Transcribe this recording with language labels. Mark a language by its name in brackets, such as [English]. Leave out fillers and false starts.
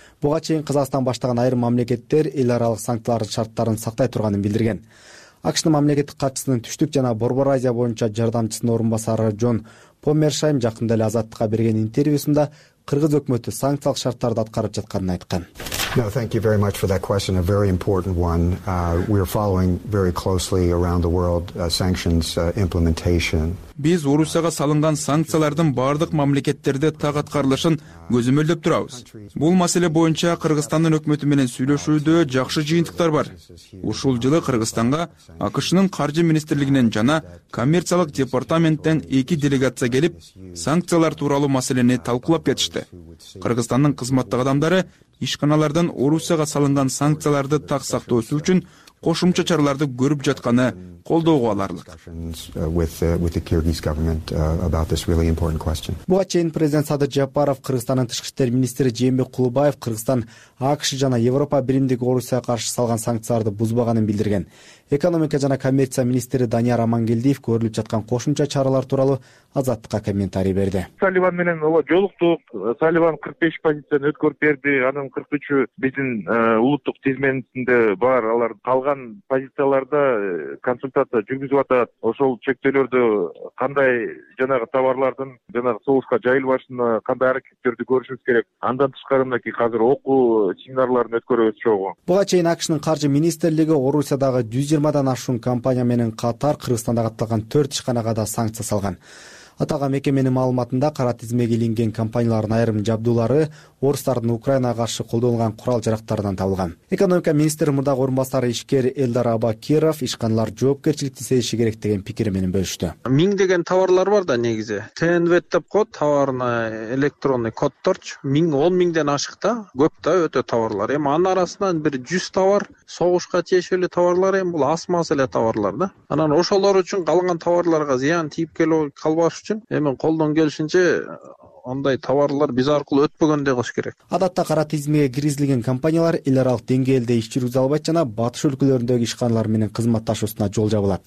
[Kyrgyz] Буга чейин Казакстан баштаган айрым мамлекеттер эл аралык санкциялардын шарттарын сактай турганын билдирген. АКШнын мамлекеттик катчысынын түштүк жана Борбор Азия боюнча жардамчысынын орун басары Джон Померсайм жакында эле азаттыкка берген интервьюсунда кыргыз өкмөтү санкциялык шарттарды аткарып жатканын айткан. [English] No, thank you very much for that question, a very important one. We're following very closely around the world sanctions implementation. [Kyrgyz] Биз Орусияга салынган санкциялардын бардык мамлекеттерде так аткарылышын көзөмөлдөп турабыз. Бул маселе боюнча Кыргызстандын өкмөтү менен сүйлөшүүдө жакшы жыйынтыктар бар. Ушул жылы Кыргызстанга АКШнын каржы министрлигинен жана коммерциялык департаменттен 2 делегация келип, санкциялар тууралуу маселени талкуулап кетишти. Кыргызстандын кызматтык адамдары ишканалардан Орусияга салынган санкцияларды так сактоосу үчүн кошумча чараларды көрүп жатканы колдоого аларлык. [English] With the Kyrgyz government about this really important question. [Kyrgyz] Буга чейин президент Садыр Жапаров, Кыргызстандын тышкы иштер министри Жээнбек Кулубаев Кыргызстан АКШ жана Европа биримдиги Орусияга каршы салган санкцияларды бузбаганын билдирген. Экономика жана коммерция министри Данияр Амангелдиев көрүлүп жаткан кошумча чаралар тууралуу азаттыкка комментарий берди. Салливан менен жолуктук. Салливан 45 позицияны өткөрүп берди. Анын 43-ү биздин улуттук тизменинде бар. Алар калган позицияларда консультация жүргүзүп атат. Ошол чектөөлөрдө кандай жанагы товарлардын жанагы согушка жайылбашына кандай аракеттерди көрүшүбүз керек. Андан тышкары мынакей азыр окуу семинарларын өткөрөбүз чогуу. Буга чейин АКШнын каржы министрлиги Орусиядагы 120 ашуун компания менен катар Кыргызстандагы катталган 4 ишканага да санкция салган. Атаган мекеменин маалыматында кара тизмеге илинген компаниялардын айрым жабдуулары орустардын Украинага каршы колдонулган курал жарактарынан табылган. Экономика министри мурдагы орун басары ишкер Элдар Абакиров ишканалар жоопкерчиликти сезиши керек деген пикири менен бөлүштү. Миңдеген товарлар бар да негизи. ТНВЭТ деп коет, товарына электронный кодторчу. 10 000 ашык да, көп да өтө товарлар. Эми анын арасынан бир 100 товар согушка тиешелүү товарлар, эми бул асмас эле товарлар да. Анан ошолор үчүн калган товарларга зыян тийип келип үчүн эми колдон келишинче андай товарлар биз аркылуу өтпөгөндөй кылыш керек. Адатта кара тизмеге киргизилген компаниялар эл аралык деңгээлде иш жүргүзө албайт жана батыш өлкөлөрүндөгү ишканалар менен кызматташуусуна жол жабылат.